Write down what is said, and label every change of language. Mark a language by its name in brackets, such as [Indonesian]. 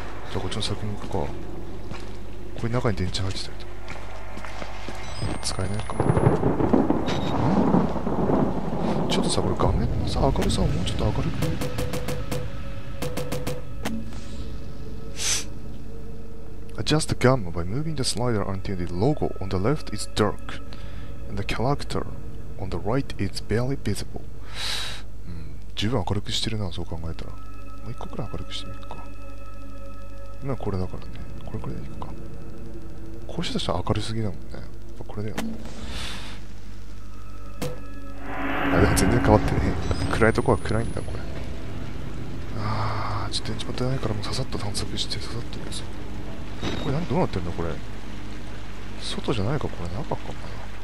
[Japanese] じゃあこっちの先に行くか。これ中に電池入ってたりとか使えないか。ちょっとさ、これ画面のさ、明るさをもうちょっと明るくない？ [English] Adjust the gamma by moving the slider until the logo on the left is dark and the character on the right is barely visible。 [Japanese] 十分明るくしてるな、そう考えたら。もう一個くらい明るくしてみるか。今これだからね。これくらいでいくか。こうしたら明るすぎだもんね。やっぱこれだよ。あ、でも全然変わってねえ。暗いとこは暗いんだ、これ。あー、ちょっと電池持ってないから、もうささっと探索して、ささっと見せる。これ何、どうなってんだ、これ。外じゃないか、これ。中かもな。